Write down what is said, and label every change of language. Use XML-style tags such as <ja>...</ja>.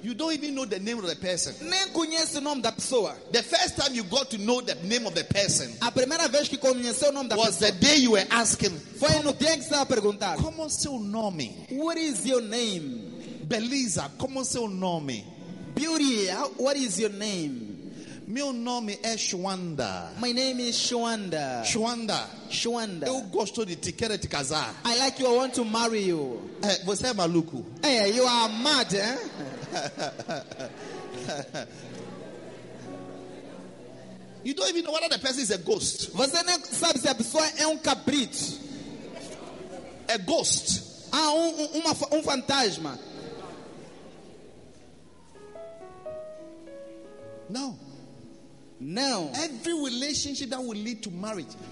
<en>You don't even know the name of the person.</en> <pt>Nem conhece o nome da pessoa.</pt> <en>The first time you got to know the name of the person.</en> <pt>A primeira vez que conheceu o nome da</pt> <en>was</en> <pt>pessoa.</pt> <en>Was the day you were asking.</en> <pt>Foi no dia que você estava a perguntar. Como é seu nome?</pt> <en>What is your name?</en> <pt>Beleza, como é seu nome?</pt> <en>Beauty, what is your name?</en> <pt>Meu nome é Shwanda.</pt> <en>My name is Shwanda. Shwanda. Shwanda.</en> <pt>Eu gosto de te, quero te casar.</pt> <en>I like you, I want to marry you.</en> <pt>Hey, você é maluco.</pt> <en>Hey, you are mad, eh? You don't even know whether the person is a ghost.</en> <pt>Você nem sabe se a pessoa é um cabrito.</pt> <en>A ghost.</en> <pt>Ah, um fantasma.</pt> <en>No. Now, every relationship that will lead to marriage,</en>